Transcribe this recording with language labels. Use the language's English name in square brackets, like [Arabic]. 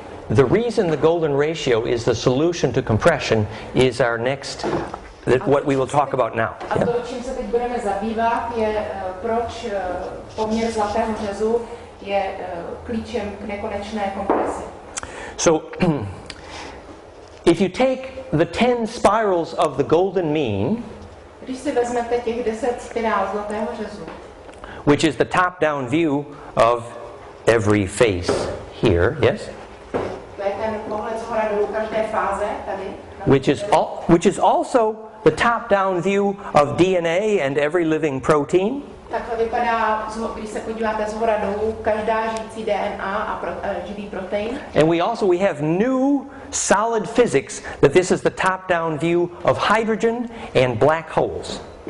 [English] The reason the golden ratio is the solution to compression is our next, what we will talk about now. [Czech] A to, čím se teď budeme zabývat, je proč poměr zlatého řezu je klíčem k nekonečné kompresi. [English] So, if you take the 10 spirals of the golden mean, [Czech] když si vezmete těch 10 spirál zlatého řezu, [English] which is the top-down view of every face here, yes? [Czech] To je ten pohled z hora dolů, fáze tady. [English] Which is also the top-down view of DNA and every living protein. [Czech] Takhle vypadá, když se podíváte zhora dolů, každá žijící DNA a živý protein. [English] And we have new solid physics that this is the top-down view of hydrogen and black holes.